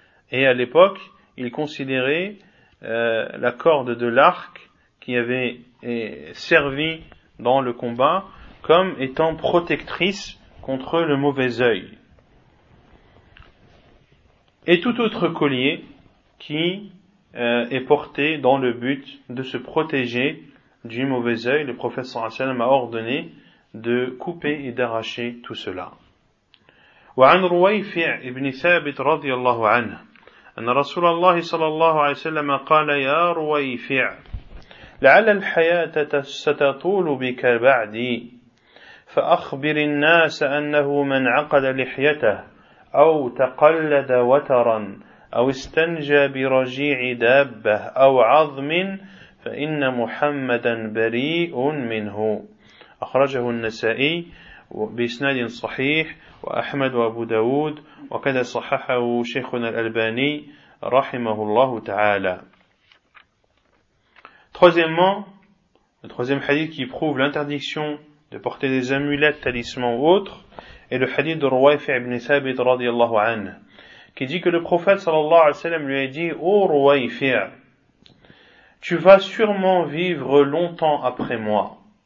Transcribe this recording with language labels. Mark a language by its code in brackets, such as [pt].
[fr] Et à l'époque, ils considéraient la corde de l'arc qui avait servi dans le combat comme étant protectrice contre le mauvais œil. Et tout autre collier qui est porté dans le but de se protéger du mauvais œil, le prophète sallallahu alayhi wa sallam a ordonné de couper et d'arracher tout cela. [ar] وعن رويفع ابن ثابت رضي الله عنه أن رسول الله صلى الله عليه وسلم قال يا رويفع لعل الحياة ستطول بك بعدي فأخبر الناس أنه من عقد لحيته أو تقلد وترا أو استنجى برجيع دابة أو عظم فإن محمدا بريء منه أخرجه النسائي بإسناد صحيح وأحمد وأبو داود وكذا صححه شيخنا الألباني رحمه الله تعالى. [fr] Troisièmement, le troisième hadith qui prouve l'interdiction de porter des amulettes, talismans ou autres, est le hadith de Ruwayfi ibn Thabit radiallahu anhu, qui dit que le prophète sallallahu alayhi wa sallam lui a dit « Oh Ruwayfi, tu vas sûrement vivre longtemps après moi.